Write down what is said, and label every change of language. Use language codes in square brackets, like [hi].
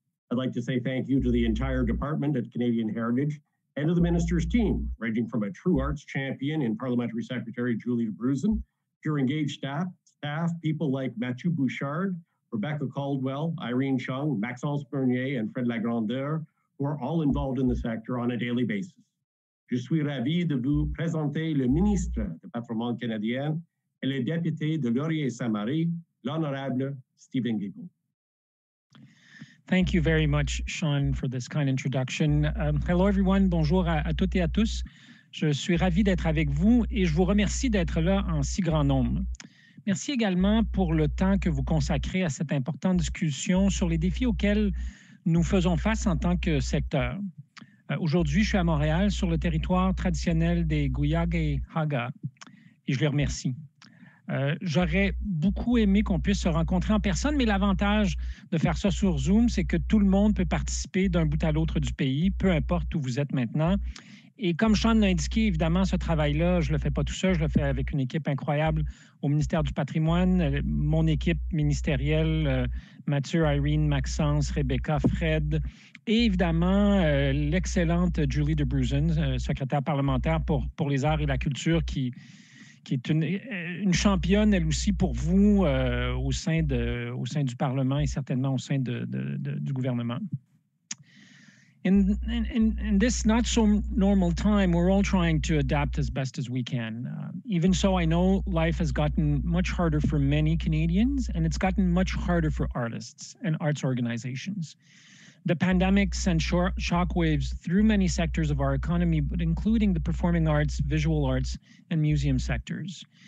[en] I'd like to say thank you to the entire department at Canadian Heritage and to the minister's team, ranging from a true arts champion in Parliamentary Secretary Julie DeBruzan, to your engaged staff, people like Mathieu Bouchard, Rebecca Caldwell, Irene Chung, Maxence Bernier, and Fred Lagrandeur, who are all involved in the sector on a daily basis. [fr] Je suis ravi de vous présenter le ministre de Patrimoine canadien et le député de Laurier-Saint-Marie, l'honorable Steven Guilbeault. [en] Thank you very much, Sean, for this kind introduction. Hello, everyone. Bonjour à toutes et à tous. [fr] Je suis ravi d'être avec vous et je vous remercie d'être là en si grand nombre. Merci également pour le temps que vous consacrez à cette importante discussion sur les défis auxquels nous faisons face en tant que secteur. Aujourd'hui, je suis à Montréal, sur le territoire traditionnel des Guyag et Haga, et je les remercie. J'aurais beaucoup aimé qu'on puisse se rencontrer en personne, mais l'avantage de faire ça sur Zoom, c'est que tout le monde peut participer d'un bout à l'autre du pays, peu importe où vous êtes maintenant. Et comme Sean l'a indiqué, évidemment, ce travail-là, je ne le fais pas tout seul, je le fais avec une équipe incroyable au ministère du Patrimoine, mon équipe ministérielle, Mathieu, Irene, Maxence, Rebecca, Fred, et évidemment, l'excellente Julie DeBruzan, secrétaire parlementaire pour les arts et la culture, qui est une championne, elle aussi, pour vous, au sein du Parlement et certainement au sein du gouvernement. [en] In this not so normal time, we're all trying to adapt as best as we can. Even so, I know life has gotten much harder for many Canadians, and it's gotten much harder for artists and arts organizations. The pandemic sent shockwaves through many sectors of our economy, but including the performing arts, visual arts, and museum sectors.